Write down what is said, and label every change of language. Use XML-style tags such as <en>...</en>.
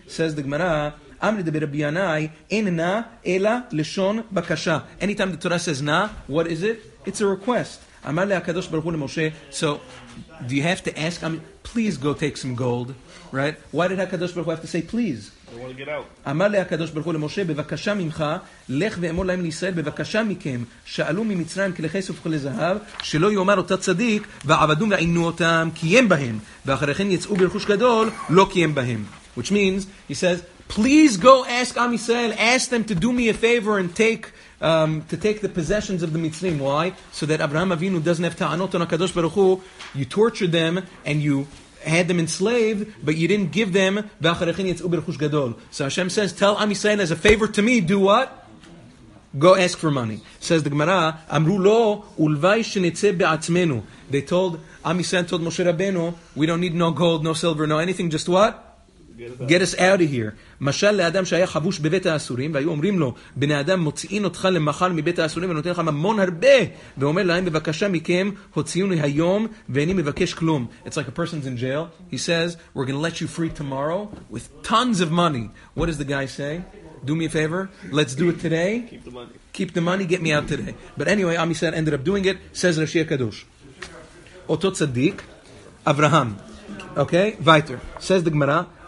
<en>Says the Gemara, Amri daber Rabbi Yanai, en na ela leshon bakasha. Anytime the Torah says na, what is it? It's a request. Amar le'akadosh baruch hu le'moshe. So, do you have to ask? Please go take some gold. Right? Why did HaKadosh Baruch Hu have to say please?</en> <he>אמר להקדוש ברוך הוא למשה בבקשה ממך לך ואמור להם לישראל בבקשה מכם שאלו ממצרים כלי כסף וכלי זהב שלא יאמר אותה צדיק ועבדו ועינו אותם קיים בהם ואחרי כן יצאו ברכוש גדול לא קיים בהם.</he> <en>Which means, he says, please go ask Am Yisrael, ask them to do me a favor and take the possessions of the Mitzrayim. Why? So that Abraham Avinu doesn't have ta'anot on HaKadosh Baruch Hu. You tortured them and you had them enslaved, but you didn't give them. So Hashem says, tell Am Yisrael as a favor to me, do what? Go ask for money. Says the Gemara, Amru lo ulvai shenitze be'atzmenu. They told, Am Yisrael told Moshe Rabbeinu, we don't need no gold, no silver, no anything, just what? Get us out of here.</en> <he>משל לאדם שהיה חבוש בבית האסורים, והיו אומרים לו, בני אדם מוציאים אותך למחר מבית האסורים, ונותן לך ממון הרבה, ואומר להם, בבקשה מכם, הוציאוני היום, ואני מבקש כלום.</he> <en>It's like a person's in jail. He says, we're going to let you free tomorrow with tons of money. What does the guy say? Do me a favor. Let's do it today. Keep the money. Get me out today. But anyway, Am Yisrael ended up doing it. Says Rashi HaKadosh. Oto tzaddik, Avraham. Okay? Vayter. Says the Gemara.</en>